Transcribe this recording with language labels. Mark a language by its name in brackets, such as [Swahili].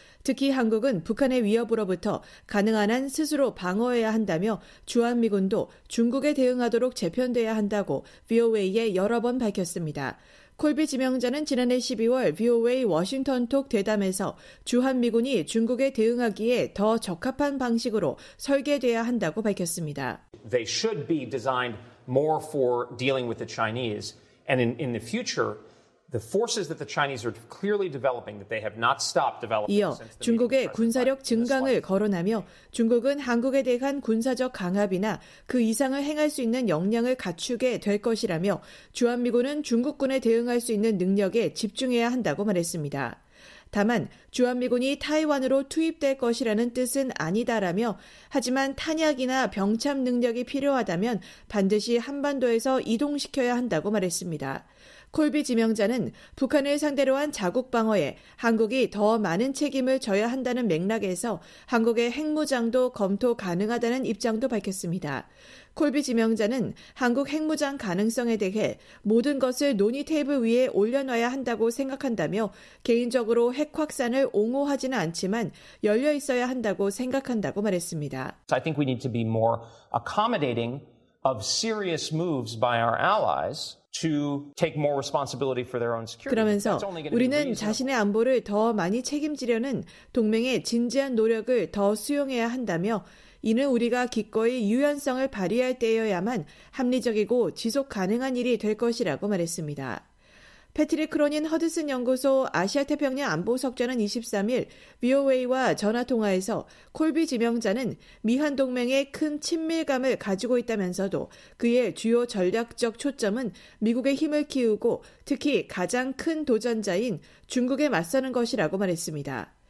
[Korean] 특히 한국은 북한의 위협으로부터 가능한 한 스스로 방어해야 한다며 주한미군도 중국에 대응하도록 재편돼야 한다고 VOA에 여러 번 밝혔습니다. 콜비 지명자는 지난해 12월 VOA 워싱턴 톡 대담에서 주한미군이 중국에 대응하기에 더 적합한 방식으로 설계돼야 한다고 밝혔습니다. [English] They should be designed more for dealing with the Chinese. And in the future, the forces that the Chinese are clearly developing that they have not stopped developing. [Korean] 이어 중국의 군사력 증강을 거론하며 중국은 한국에 대한 군사적 강압이나 그 이상을 행할 수 있는 역량을 갖추게 될 것이라며 주한미군은 중국군에 대응할 수 있는 능력에 집중해야 한다고 말했습니다. 다만 주한미군이 타이완으로 투입될 것이라는 뜻은 아니다라며 하지만 탄약이나 병참 능력이 필요하다면 반드시 한반도에서 이동시켜야 한다고 말했습니다. 콜비 지명자는 북한을 상대로 한 자국 방어에 한국이 더 많은 책임을 져야 한다는 맥락에서 한국의 핵무장도 검토 가능하다는 입장도 밝혔습니다. 콜비 지명자는 한국 핵무장 가능성에 대해 모든 것을 논의 테이블 위에 올려놔야 한다고 생각한다며 개인적으로 핵 확산을 옹호하지는 않지만 열려 있어야 한다고 생각한다고 말했습니다. [English] I think we need to be more accommodating of serious moves by our allies. To take more responsibility for their own security. [Korean] 그러면서 우리는 자신의 안보를 더 많이 책임지려는 동맹의 진지한 노력을 더 수용해야 한다며 이는 우리가 기꺼이 유연성을 발휘할 때여야만 합리적이고 지속 가능한 일이 될 것이라고 말했습니다. 패트릭 크로닌 허드슨 연구소 아시아태평양 안보석좌는 23일 VOA와 전화통화에서 콜비 지명자는 미한동맹에 큰 친밀감을 가지고 있다면서도 그의 주요 전략적 초점은 미국의 힘을 키우고 특히 가장 큰 도전자인 중국에 맞서는 것이라고 말했습니다.